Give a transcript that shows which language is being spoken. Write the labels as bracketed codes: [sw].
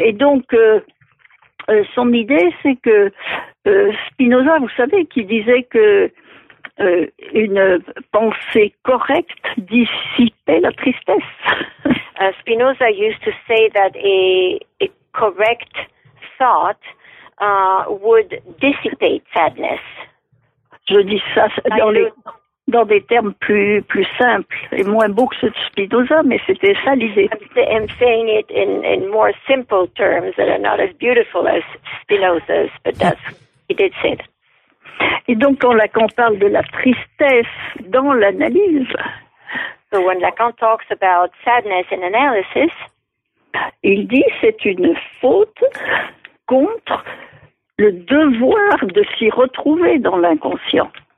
[fr] Et donc, son idée, c'est que Spinoza, vous savez, qui disait que une pensée correcte dissipait la tristesse. [en] Spinoza used to say that a correct thought would dissipate sadness. [fr] Je dis ça dans des termes plus simples et moins beaux que ceux de Spinoza, mais c'était ça l'idée. [en] I'm saying it in more simple terms that are not as beautiful as Spinoza's, but that's what he did say. [fr] Et donc, quand Lacan parle de la tristesse dans l'analyse, [en] so when Lacan talks about sadness in analysis, [fr] il dit c'est une faute contre le devoir de s'y retrouver dans l'inconscient.